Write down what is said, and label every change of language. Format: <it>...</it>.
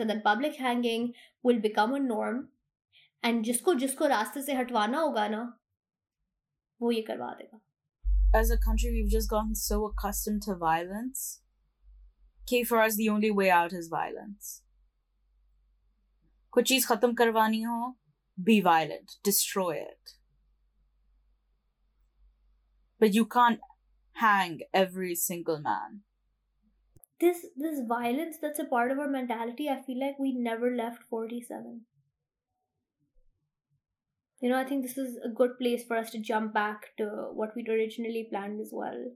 <en>And then public hanging will become a norm.</en> <ur>And jisko raaste se hatwana hoga na, wo ye karwa dega.</ur> <en>As a country, we've just gotten so accustomed to violence. Okay, for us, the only way out is violence.</en> <ur>کچھ چیز ختم کروانی ہو،</ur> <en>be violent. Destroy it. But you can't hang every single man. This violence that's a part of our mentality, I feel like we never left 47. You know, I think this is a good place for us to jump back to what we'd originally planned as well.</en>